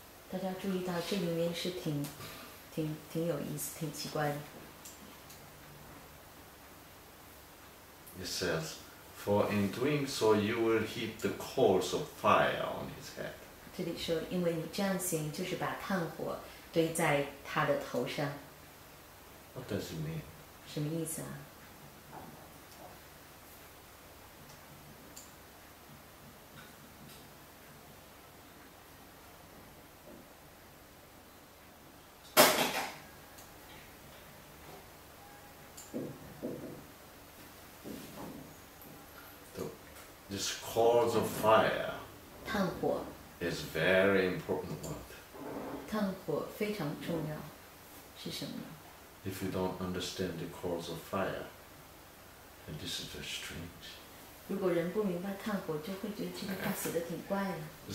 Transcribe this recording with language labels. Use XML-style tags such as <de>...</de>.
<zh>大家注意到这里面是挺有意思、挺奇怪的。</zh> <en>It says, for in doing so you will heap the coals of fire on his head.</en> <zh>这里说，因为你这样行，就是把炭火堆在他的头上。</zh> <en>What does it mean?</en> <zh>什么意思啊？</zh> <en>This cause of fire</en> <zh>炭火,</zh> <en>is very important word.</en> <zh>炭火非常重要，是什么？</zh> <en>If you don't understand the cause of fire, then this is very strange.</en> <zh>如果人不明白炭火，就会觉得这句话写的挺怪的。</zh>